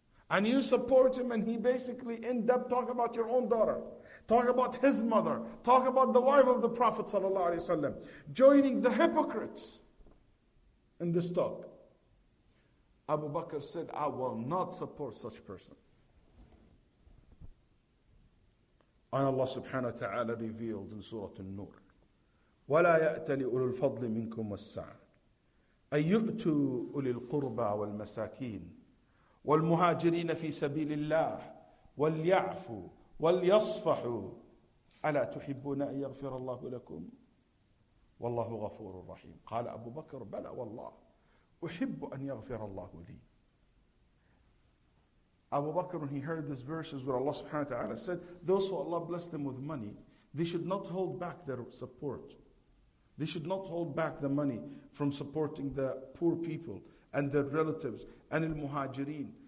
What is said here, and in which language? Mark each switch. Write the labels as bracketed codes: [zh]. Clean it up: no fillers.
[en] And you support him, and he basically end up talking about your own daughter. Talk about his mother. Talk about the wife of the Prophet sallallahu alaihi wasallam. Joining the hypocrites in this talk. Abu Bakr said, I will not support such person. And Allah subhanahu wa ta'ala revealed in Surah An-Nur, [ar] وَلَا يَأْتَلِ أُولُو الْفَضْلِ مِنْكُمْ وَالسَّعَةِ أَنْ يُؤْتُوا أُولِي الْقُرْبَى وَالْمَسَاكِينَ وَالْمُهَاجِرِينَ فِي سَبِيلِ اللَّهِ وَلْيَعْفُوا وَلْيَصْفَحُوا أَلَا تُحِبُّونَ أَنْ يَغْفِرَ اللَّهُ لَكُمْ وَاللَّهُ غَفُورٌ رَحِيمٌ قال أبو بكر بلى والله أحب أن يغفر الله لي. [en] Abu Bakr, when he heard these verses where Allah subhanahu wa ta'ala said, those who Allah blessed them with money, they should not hold back their support. They should not hold back the money from supporting the poor people and their relatives and al-muhajireen.